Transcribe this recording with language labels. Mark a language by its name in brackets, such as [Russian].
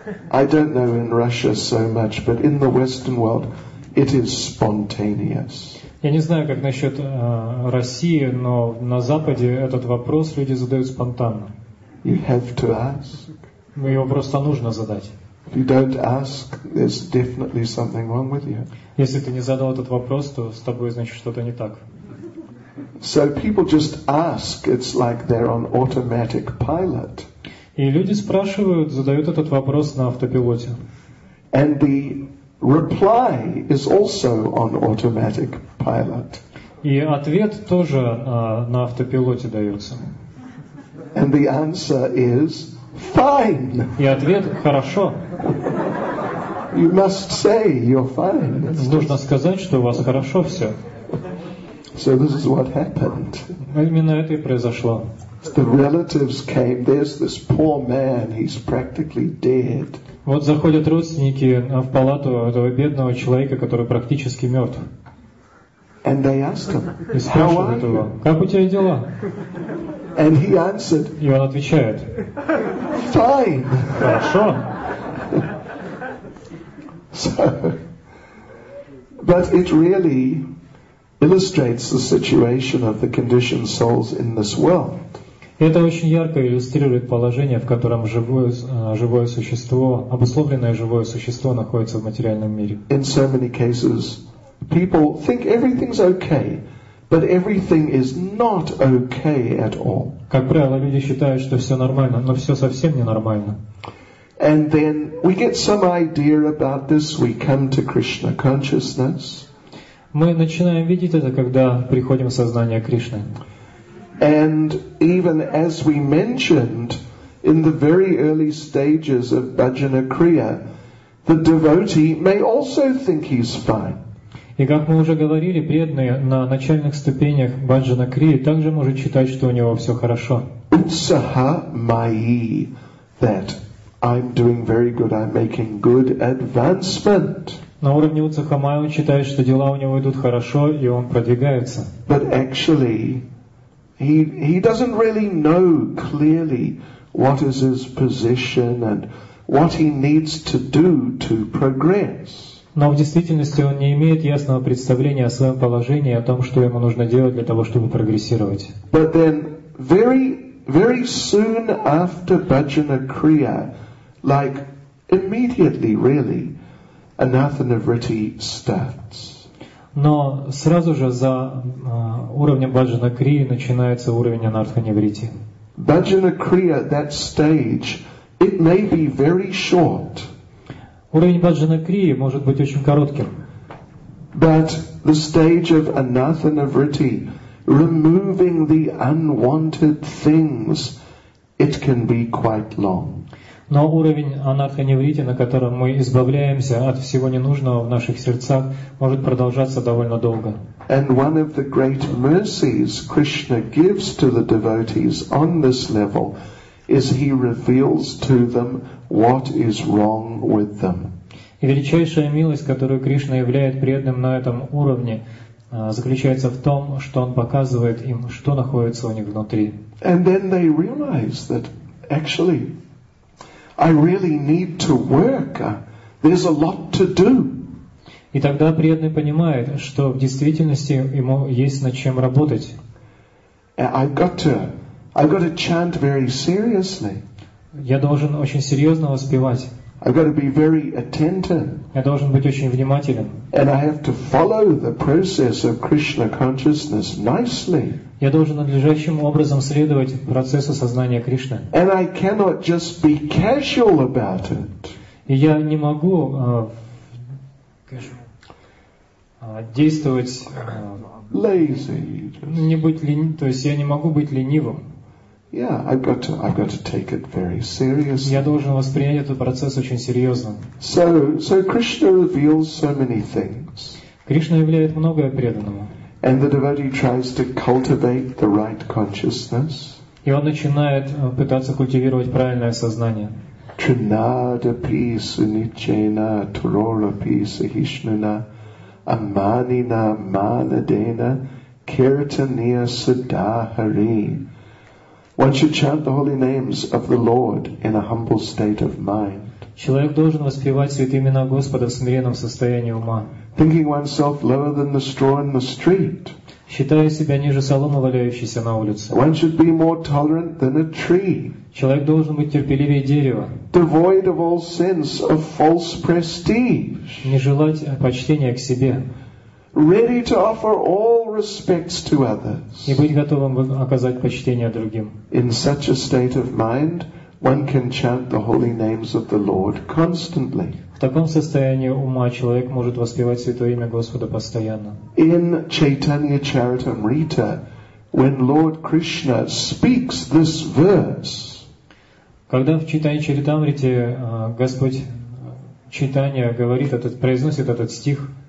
[English] I don't know in Russia so much, but in the Western world, it is spontaneous. [Russian] Я не знаю, как насчет России, но на Западе этот вопрос люди задают спонтанно. [English] You have to ask. [Russian] Его просто нужно задать. [English] If you don't ask, there's definitely something wrong with you. [Russian] Если ты не задал этот вопрос, то с тобой, значит, что-то не так. [English] So people just ask. It's like they're on automatic pilot. [Russian] И люди спрашивают, задают этот вопрос на автопилоте. [English] And the reply is also on automatic pilot. [Russian] И ответ тоже на автопилоте дается. [English] And the answer is fine. [Russian] И ответ хорошо. [English] You must say you're fine. [Russian] Нужно сказать, что у вас хорошо все. [English] So this is what happened. [Russian] Именно это и произошло. [English] The relatives came. There's this poor man. He's practically dead. [Russian] Вот заходят родственники в палату этого бедного человека, который практически мертв. [English] And they asked him, [Russian] и спрашивают [English] how are [Russian] его, [English] you? [Russian] Как у тебя дела? [English] And he answered, [Russian] и он отвечает, [English] fine. [Russian] Хорошо. [English] But it really illustrates the situation of the conditioned souls in this world. [Russian] Это очень ярко иллюстрирует положение, в котором живое существо, обусловленное живое существо, находится в материальном мире. [English] In so many cases, people think everything's okay, but everything is not okay at all. [Russian] Как правило, люди считают, что все нормально, но все совсем не нормально. [English] And then we get some idea about this. We come to Krishna consciousness. [Russian] Мы начинаем видеть это, когда приходим в сознание Кришны. [English] And even as we mentioned in the very early stages of Bhajana Kriya, the devotee may also think he's fine. [Russian] И как мы уже говорили, преданный на начальных ступенях Bhajana Kriya также может считать, что у него все хорошо. [English] Utsaha mayi, that I'm doing very good, I'm making good advancement. [Russian] На уровне Utsaha mayi он считает, что дела у него идут хорошо, и он продвигается. [English] But actually, he doesn't really know clearly what is his position and what he needs to do to progress. [Russian] Но в действительности он не имеет ясного представления о своем положении, о том, что ему нужно делать для того, чтобы прогрессировать. [English] But then very, very soon after Bhajana Kriya, like immediately really, Anathanavritti starts. [Russian] Но сразу же за уровнем Bhajana Kriya начинается уровень Анартханивритти. [English] Bhajana Kriya, that stage, it may be very short. [Russian] Уровень Bhajana Kriya может быть очень коротким. [English] But the stage of Anathanavritti, removing the unwanted things, it can be quite long. [Russian] Но уровень анартха-невритти, на котором мы избавляемся от всего ненужного в наших сердцах, может продолжаться довольно долго. [English] And one of the great mercies Krishna gives to the devotees on this level is he reveals to them what is wrong with them. [Russian] И величайшая милость, которую Кришна являет преданным на этом уровне, заключается в том, что он показывает им, что находится у них внутри. [English] And then they realize that actually I really need to work. There's a lot to do. [Russian] И тогда преданный понимает, что в действительности ему есть над чем работать. [English] I've got to chant very seriously. [Russian] Я должен очень серьезно воспевать. [English] I've got to be very attentive. [Russian] Я должен быть очень внимателен. [English] And I have to follow the process of Krishna consciousness nicely. [Russian] Я должен надлежащим образом следовать процессу сознания Кришны. [English] And I cannot just be casual about it. [Russian] И я не могу действовать [English] lazy. [Russian] Не быть ленивым, то есть я не могу быть ленивым. [English] Yeah, I've got to take it very seriously. [Russian] Я должен воспринять этот процесс очень серьезно. [English] So Krishna reveals so many things. [Russian] Кришна являет многое преданному. [English] And the devotee tries to cultivate the right consciousness. [Russian] И он начинает пытаться культивировать правильное сознание. [Sanskrit] Trinadapi sunichena turorapi sahishnuna amanina manadena kirtaniya sadahari. [English] One should chant the holy names of the Lord in a humble state of mind. [Russian] Человек должен воспевать святые имена Господа в смиренном состоянии ума. [English] Thinking oneself lower than the straw in the street. [Russian] Считая себя ниже соломы, валяющейся на улице. [English] One should be more tolerant than a tree. [Russian] Человек должен быть терпеливее дерева. [English] Devoid of all sense of false prestige. [Russian] Не желать почтения к себе. [English] Ready to offer all respects to others. [Russian] И быть готовым оказать почтение другим. [English] In such a state of mind, One can chant the holy names of the Lord constantly. [Russian] В таком состоянии ума человек может воспевать святое имя Господа постоянно. [English] In Chaitanya Charitamrita, when Lord Krishna speaks this verse, [Russian] когда в Чайтанья Чаритамрите Господь Чайтанья говорит этот, произносит этот стих,